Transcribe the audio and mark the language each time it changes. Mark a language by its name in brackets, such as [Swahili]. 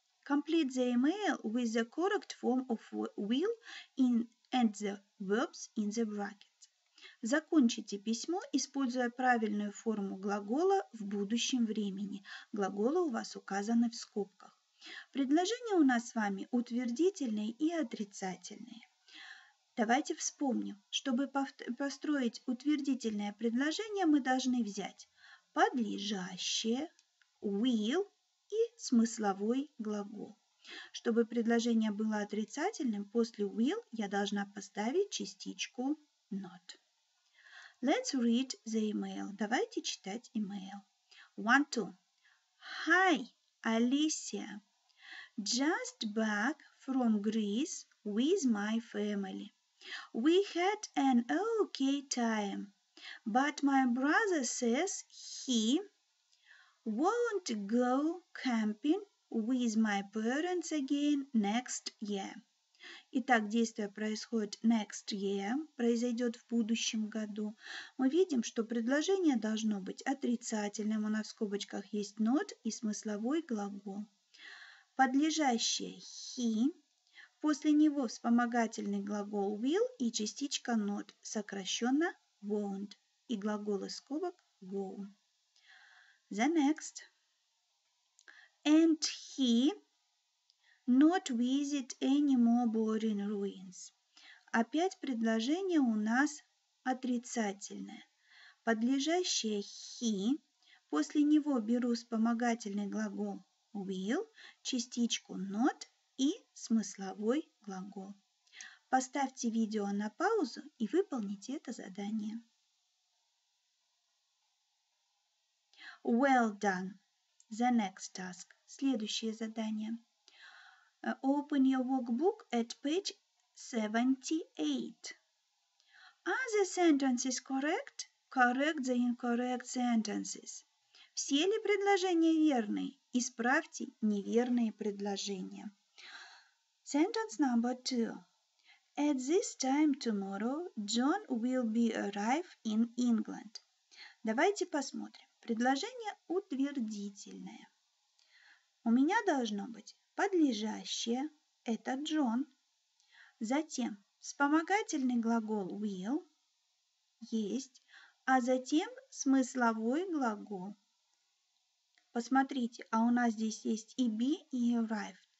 [English] Complete the email with the correct form of will in and the verbs in the bracket. [Russian] Закончите письмо, используя правильную форму глагола в будущем времени. Глаголы у вас указаны в скобках. Предложения у нас с вами утвердительные и отрицательные. Давайте вспомним, чтобы построить утвердительное предложение, мы должны взять подлежащее, will и смысловой глагол. Чтобы предложение было отрицательным, после will я должна поставить частичку not. [English] Let's read the email. [Russian] Давайте читать email. [English] 1-2. Hi, Alicia. Just back from Greece with my family. We had an okay time, but my brother says he won't go camping with my parents again next year. [Russian] Итак, действие происходит [English] next year, [Russian] произойдет в будущем году. Мы видим, что предложение должно быть отрицательным. У нас в скобочках есть not и смысловой глагол. Подлежащее he, после него вспомогательный глагол will и частичка not, сокращенно won't. И глагол из скобок won't. [English] The next. And he not visit any more boring ruins. [Russian] Опять предложение у нас отрицательное. Подлежащее he, после него беру вспомогательный глагол will, частичку not и смысловой глагол. Поставьте видео на паузу и выполните это задание. [English] Well done. The next task. [Russian] Следующее задание. [English] Open your workbook at page 78. Are the sentences correct? Correct the incorrect sentences. [Russian] Все ли предложения верны? Исправьте неверные предложения. [English] Sentence number 2. At this time tomorrow, John will be arrive in England. [Russian] Давайте посмотрим. Предложение утвердительное. У меня должно быть подлежащее, это Джон. Затем вспомогательный глагол will, есть. А затем смысловой глагол. Посмотрите, а у нас здесь есть и be, и arrived.